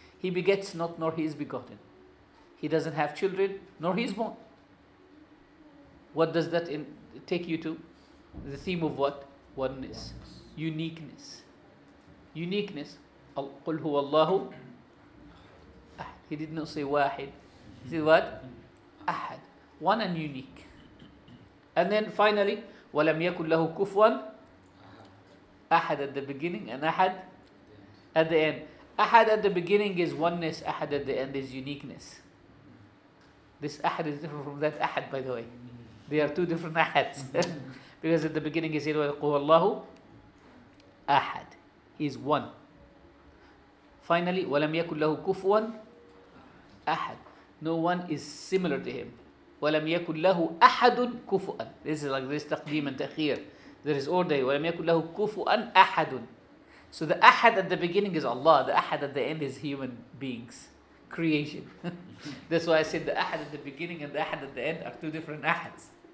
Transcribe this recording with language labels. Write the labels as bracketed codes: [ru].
[en] He begets not, nor he is begotten. He doesn't have children, nor he is born. What does that take you to? The theme of what? Oneness. Uniqueness. Uniqueness. [ar] قُلْ هُوَ اللَّهُ. [en] He did not say واحد. He said what? أحد. One and unique. And then finally, [ar] وَلَمْ يَكُنْ لَهُ كُفْوًا أحد. [en] At the beginning and أحد at the end. أحد at the beginning is oneness. أحد at the end is uniqueness. This أحد is different from that أحد, by the way. They are two different أحدs. Because at the beginning he said, [ar] وَلَقُوا اللَّهُ أحد. [en] He is one. Finally, [ar] وَلَمْ يَكُنْ لَهُ كُفْوًا أحد. [en] No one is similar to him. [ar] وَلَمْ يَكُنْ لَهُ أَحَدٌ كُفُؤًا. [en] This is like this تقديم and تأخير. There is order. [ar] وَلَمْ يَكُنْ لَهُ كُفُؤًا أَحَدٌ. [en] So the أحد at the beginning is Allah. The أحد at the end is human beings. Creation. That's why I said the أحد at the beginning and the أحد at the end are two different أحدs.